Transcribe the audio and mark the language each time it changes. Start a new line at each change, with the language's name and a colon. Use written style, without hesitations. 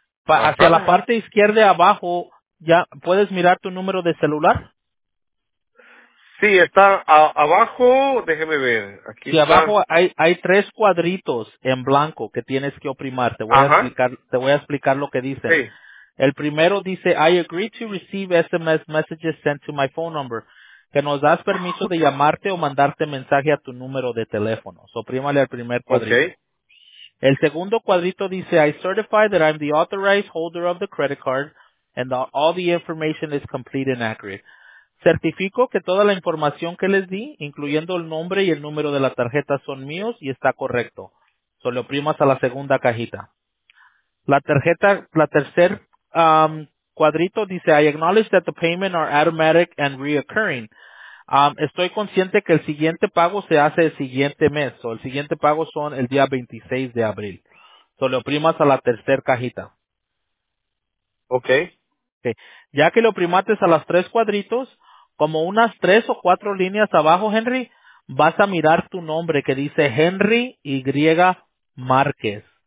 Spanish: Hacia la parte izquierda abajo, ¿ya puedes mirar tu número de celular? Sí, está abajo, déjeme ver. Aquí sí, está. Abajo hay tres cuadritos en blanco que tienes que oprimar. Te voy a explicar lo que dice. Sí. El primero dice,
English: I agree to receive SMS messages sent to my phone number.
Spanish: Que nos das permiso de llamarte o mandarte mensaje a tu número de teléfono. Oprímale al primer cuadrito. Okay. El segundo cuadrito dice,
English: I certify that I'm the authorized holder of the credit card and all the information is complete and accurate.
Spanish: Certifico que toda la información que les di, incluyendo el nombre y el número de la tarjeta, son míos y está correcto. Solo oprimas a la segunda cajita. La tercer cuadrito dice,
English: I acknowledge that the payment are automatic and reoccurring.
Spanish: Estoy consciente que el siguiente pago se hace el siguiente mes. O el siguiente pago son el día 26 de abril. Solo oprimas a la tercer cajita. Okay. Okay. Ya que lo oprimates a las tres cuadritos, como unas tres o cuatro líneas abajo, Henry, vas a mirar tu nombre que dice Henry Y. Márquez.